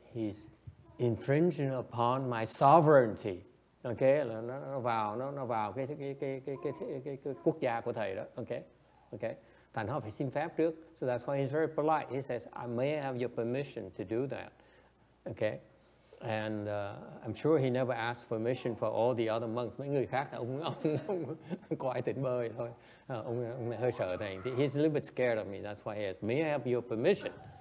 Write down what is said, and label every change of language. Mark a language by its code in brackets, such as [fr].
[en] He's infringing upon my sovereignty. [vi] Okay, là nó vào cái quốc gia của thầy đó. Okay, thành họ phải xin phép trước. [en] So that's why he's very polite. He says, I may have your permission to do that. Okay. And I'm sure he never asked permission for all the other monks. [vi] Mấy người khác, ông quái tỉnh bơi thôi. Ông hơi sợ thầy. [en] He's a little bit scared of me. That's why he asked, may I have your permission?